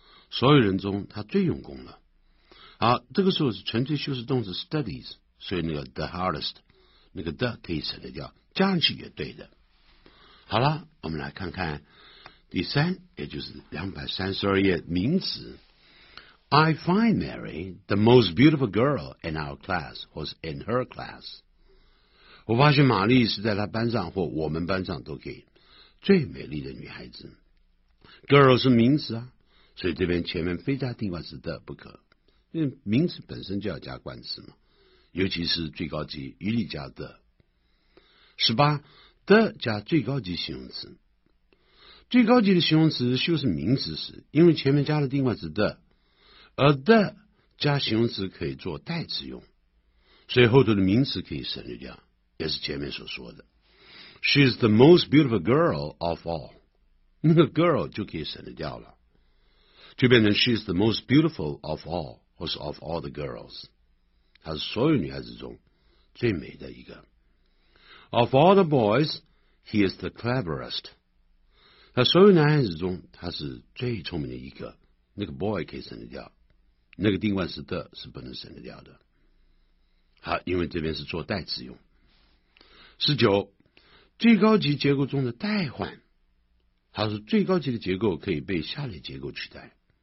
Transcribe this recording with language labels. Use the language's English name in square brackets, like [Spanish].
[Chinese] 所有人中他最用功了。好，这个时候是纯粹修饰动词 studies， 所以那个 [English] the hardest， [Chinese] 那个 the 可以省得掉，加上去也对的。好了，我们来看看第三，也就是232页名词。 [English] I find Mary the most beautiful girl in our class was in her class. [Chinese] 我发现玛丽是在她班上或我们班上都可以。最美丽的女孩子 girl 是名词啊，所以这边前面非加定冠词的不可，因为名词本身就要加冠词嘛，尤其是最高级一律加的。 18 的加最高级形容词，最高级的形容词修饰名词时，因为前面加了定冠词的，而的加形容词可以做代词用，所以后头的名词可以省略掉，也是前面所说的。 [English] She is the most beautiful girl of all. [Chinese] 那个 [English] girl [Chinese] 就可以省得掉了，就变成 [English] She is the most beautiful of all, [Chinese] 或是 [English] of all the girls. [Chinese] 她是所有女孩子中最美的一个。 [English] Of all the boys, he is the cleverest. [Chinese] 她所有男孩子中她是最聪明的一个，那个 boy 可以省得掉，那个定冠词 的是不能省得掉的。好，因为这边是做代词用。19最高级结构中的代换，他说最高级的结构可以被下列结构取代。